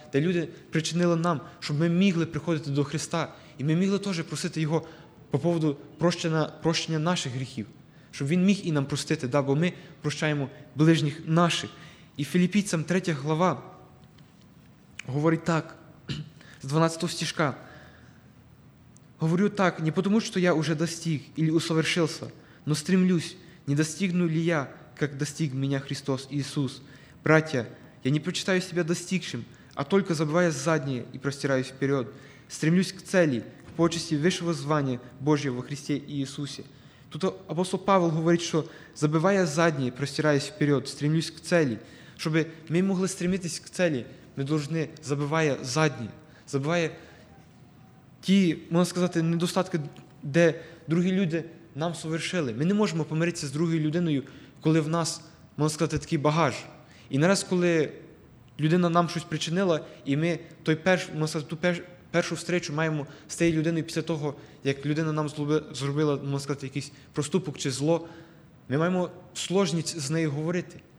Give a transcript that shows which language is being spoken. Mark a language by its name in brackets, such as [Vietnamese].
[Ukrainian] Де люди причинили нам, щоб ми могли приходити до Христа, і ми могли теж просити Його по поводу прощення наших гріхів, щоб Він міг і нам простити, да? Бо ми прощаємо ближніх наших. І Філіппійцям 3 глава говорить так, з 12 стіжка. [Russian] Говорю так, не тому, що я уже достиг или усовершився, но стремлюсь, не достигну ли я, как достиг меня Христос Иисус. Братья, я не почитаю себя достигшим, а только забывая заднее и простираюсь вперед. Стремлюсь к цели, к почести высшего звания Божьего во Христе Иисусе. Тут апостол Павел говорит, что забывая заднее, простираюсь вперед, стремлюсь к цели. Чтобы мы могли стремиться к цели, мы должны, забывая заднее, забывая [Ukrainian] ті, можна сказати, [Russian] недостатки, де другі люди нам совершили. [Ukrainian] Ми не можемо помиритися з другою людиною, коли в нас, можна сказати, такий багаж. І нараз, коли людина нам щось причинила, і ми той першу встречу маємо з тією людиною після того, як людина нам зробила, можна сказати, якийсь проступок чи зло, ми маємо сложність з нею говорити.